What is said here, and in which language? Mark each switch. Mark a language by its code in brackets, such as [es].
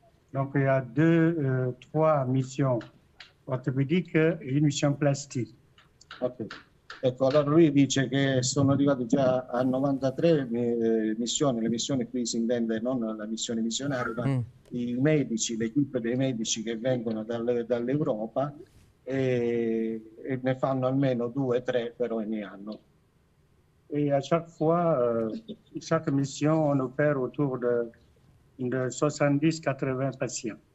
[fr] Donc, il y a deux, trois missions orthopédiques et une mission plastique. Ok. [it] Ecco, allora lui dice che sono arrivati già a 93 missioni. Le missioni qui si intende non la missione missionaria, ma i medici, l'equipe dei medici che vengono dall'Europa, e ne fanno almeno due, tre per ogni anno. [fr] E a chaque fois, chaque mission, on opère autour de 70-80 patients.